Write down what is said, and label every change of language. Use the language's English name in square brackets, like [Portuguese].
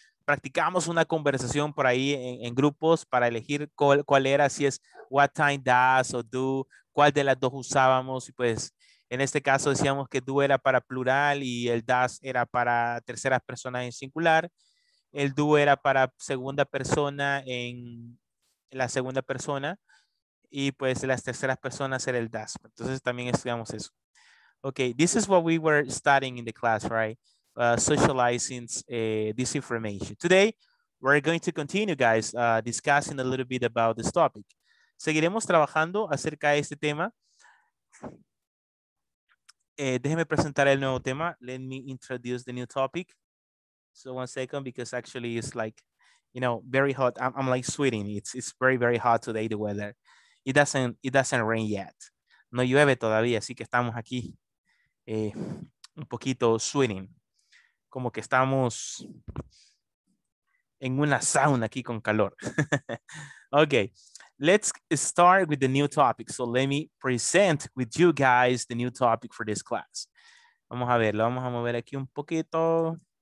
[Spanish] Practicamos una conversación por ahí en grupos para elegir cuál era, si es what time does o do, cuál de las dos usábamos. Y pues en este caso decíamos que do era para plural y el does era para tercera persona en singular. El do era para segunda persona en la segunda persona y pues las terceras personas era el does. Entonces también estudiamos eso. [English] Okay, this is what we were studying in the class, right? Socializing this information. Today, we're going to continue, guys, discussing a little bit about this topic. [Spanish] Seguiremos trabajando acerca de este tema. Déjeme presentar el nuevo tema. [English] Let me introduce the new topic. So one second, because actually it's like, you know, very hot. I'm like sweating. It's very, very hot today, the weather. It doesn't rain yet. [Spanish] No llueve todavía, así que estamos aquí un poquito sweating. Como que estamos en una sauna aquí con calor. [English] Okay, let's start with the new topic. So let me present with you guys the new topic for this class. [Spanish] Vamos a verlo, vamos a mover aquí un poquito.